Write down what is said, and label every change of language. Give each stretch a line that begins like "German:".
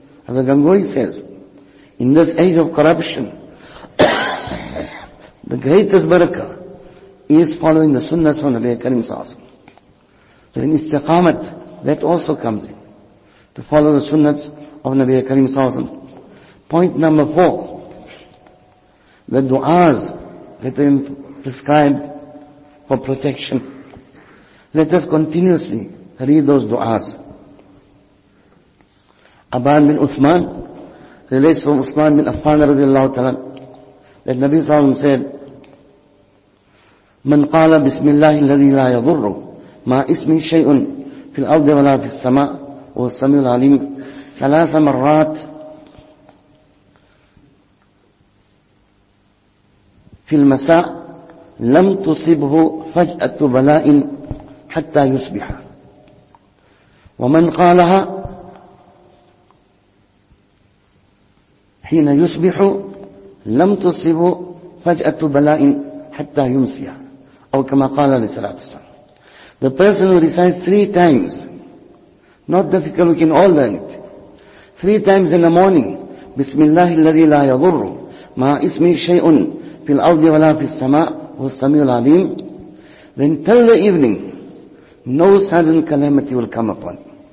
English: As the Gangohi says, in this age of corruption, the greatest miracle is following the sunnah of Nabi Karim Sallallahu Alaihi Wasallam. So in istiqamat, that also comes in, to follow the sunnahs of Nabi Karim Sallallahu Alaihi Wasallam. Point number four, the du'as that are prescribed for protection. Let us continuously read those du'as. Aban bin Uthman relates from Uthman bin Affan radiallahu ta'ala that Nabi Sallallahu Alaihi Wasallam said,
Arabic: من قال بسم الله الذي لا يضر ما اسمه شيء في الأرض ولا في السماء وهو السميع العليم ثلاث مرات في المساء لم تصبه فجأة بلاء حتى يصبح. ومن قالها حين يصبح لم تصب فجأة بلاء حتى يمسيها. أو كما قال عليه الصلاة والسلام,
English: the person who recites three times, not difficult, we can all learn it, three times in the morning,
Arabic: بسم الله الذي لا يضر مع اسمه شيء في الأرض ولا في السماء هو السميع العليم,
English: then till the evening, no sudden calamity will come upon him.